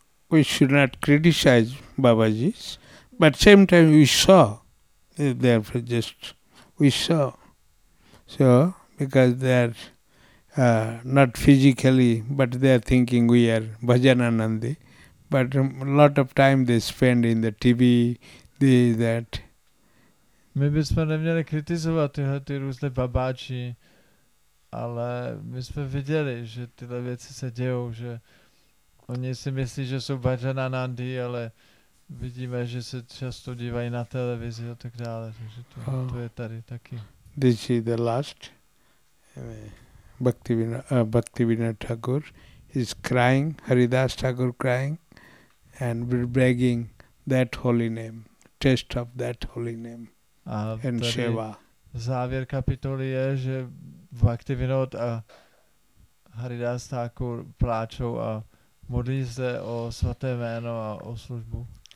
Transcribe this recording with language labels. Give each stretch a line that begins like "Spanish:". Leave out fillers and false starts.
English: We should not criticize Babaji's, but same time we saw, therefore just we saw. So, because they are not physically, but they are thinking we are Bhajanandi. But a lot of time they spend in the TV, this, that.
Czech: My bychom neměli kritizovat tyhle ty různé babáči, ale my jsme viděli, že tyhle věci se dějou, že oni si myslí, že jsou Bhajanandi, ale vidíme, že se často dívají na televizi a tak dále, takže to je tady taky.
English: This is the last. Bhaktivinoda Thakur is crying, Haridas Thakur crying. And we're begging that holy name, taste of that holy name and seva.
Czech: Závěr kapitoly je, že Bhaktivinod a Haridas Thakur pláčou a modlí se o svaté jméno a o službu.